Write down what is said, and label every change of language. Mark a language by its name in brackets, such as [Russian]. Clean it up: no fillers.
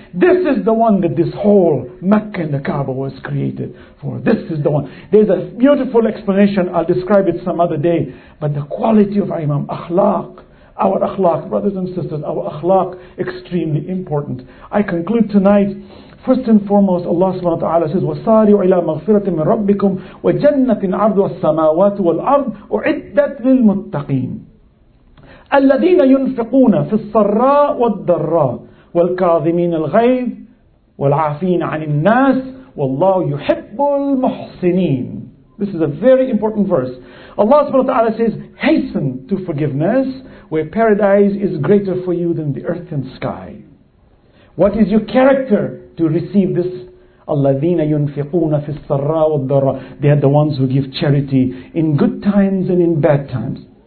[English] This is the one that this whole Mecca and the Kaaba was created for. This is the one. There's a beautiful explanation. I'll describe it some other day. But the quality of our Imam, akhlaq, our akhlaq, brothers and sisters, our akhlaq, extremely important. I conclude tonight. First and foremost, Allah subhanahu wa ta'ala says, [Arabic] وَسَارِعُ إِلَىٰ مَغْفِرَةٍ مِّن رَبِّكُمْ وَجَنَّةٍ عَرْضُهَا السَّمَاوَاتُ وَالْأَرْضُ أُعِدَّتْ لِلْمُتَّقِينَ الذين ينفقون في الصراء والضراء والكاظمين الغيظ والعافين عن الناس والله يحب المحسنين. [English] This is a very important verse. Allah subhanahu wa ta'ala says, hasten to forgiveness where paradise is greater for you than the earth and sky. What is your character to receive this? [Arabic] الذين ينفقون في الصراء والضراء. [English] They are the ones who give charity in good times and in bad times.